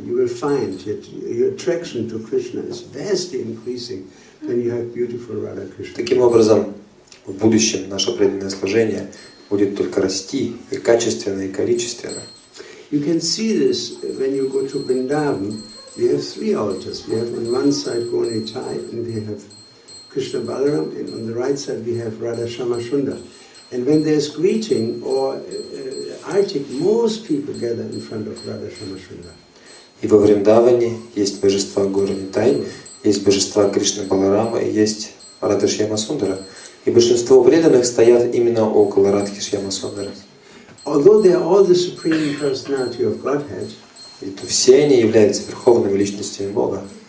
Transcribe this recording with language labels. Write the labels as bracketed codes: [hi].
[en] You will find that your attraction to Krishna is vastly increasing when you have beautiful Radha Krishna. [ru] Таким образом, в будущем наше преданное служение будет только расти и качественно, и количественно. [en] You can see this when you go to Vrindavan. We have three altars. We have on one side Goni Chai, and we have Krishna Balaram, and on the right side we have Radha Shamashunda. And when there's greeting or arctic, most people gather in front of Radha Shamashunda. [ru] И во Вриндаване есть божества Горни Тай, есть божества Кришна Баларама и есть Радха Шьямасундара. И большинство преданных стоят именно около Радхи Шьямасундары. [en] Although they are all the supreme personality of Godhead, [ru] это все они являются верховными личностями Бога.